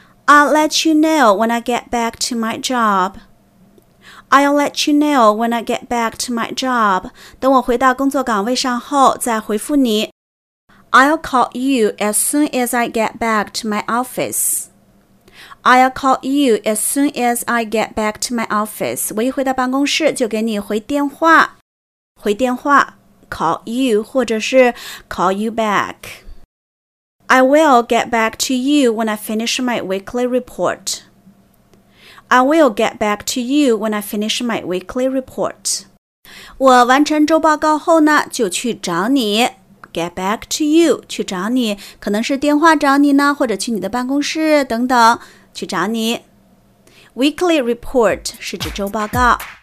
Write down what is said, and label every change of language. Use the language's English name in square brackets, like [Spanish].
[English] I'll let you know when I get back to my job. I'll let you know when I get back to my job. [Chinese] 等我回到工作岗位上后再回复你。 [English] I'll call you as soon as I get back to my office. I'll call you as soon as I get back to my office. [Chinese] 我一回到办公室就给你回电话。回电话 [English] call you [Chinese] 或者是 [English] call you back. I will get back to you when I finish my weekly report. I will get back to you when I finish my weekly report. [Chinese] 我完成周报告后呢就去找你。 [English] Get back to you [Chinese] 去找你，可能是电话找你呢，或者去你的办公室等等去找你。 Weekly report 是指周报告。